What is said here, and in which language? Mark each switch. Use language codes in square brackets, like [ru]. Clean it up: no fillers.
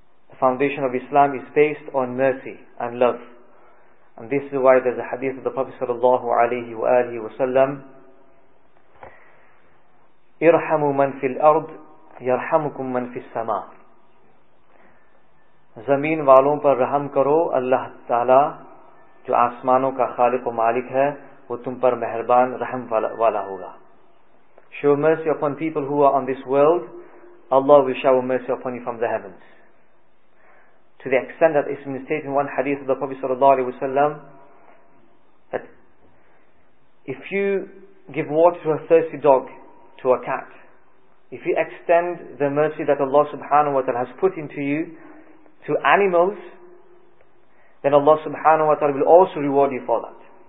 [en] The foundation of Islam is based on mercy and love. And this is why there's a hadith of the Prophet sallallahu alayhi wa alihi wa sallam, [ar] إِرْحَمُوا مَنْ فِي الْأَرْضِ يَرْحَمُكُمْ مَنْ فِي السَّمَاءِ. [ur] زمین والوں پر رحم کرو, اللہ تعالیٰ جو آسمانوں کا خالق و مالک ہے وہ تم پر مہربان رحم والا ہوگا. [en] Show mercy upon people who are on this world, Allah will shower mercy upon you from the heavens. To the extent that it's been stated in one hadith of the Prophet sallallahu alaihi wasallam, that if you give water to a thirsty dog, to a cat, if you extend the mercy that Allah subhanahu wa ta'ala has put into you to animals, then Allah subhanahu wa ta'ala will also reward you for that.